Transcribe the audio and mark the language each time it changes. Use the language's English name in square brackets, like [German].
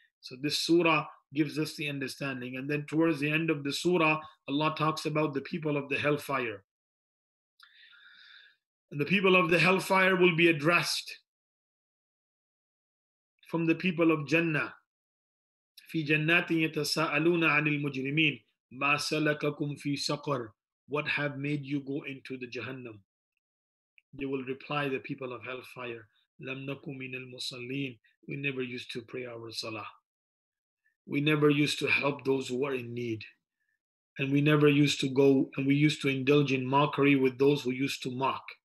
[English] So this surah gives us the understanding. And then towards the end of the surah, Allah talks about the people of the hellfire. And the people of the hellfire will be addressed from the people of Jannah. [Arabic] فِي جَنَّاتٍ يَتَسَأَلُونَ عَنِ الْمُجْرِمِينَ مَا سَلَكَكُمْ فِي سَقَرْ, [English] what have made you go into the Jahannam? They will reply, the people of hellfire, [Arabic] لَمْ نَكُمْ مِنَ الْمُصَلِّينَ, [English] we never used to pray our salah. We never used to help those who were in need. And we never used to go, and we used to indulge in mockery with those who used to mock.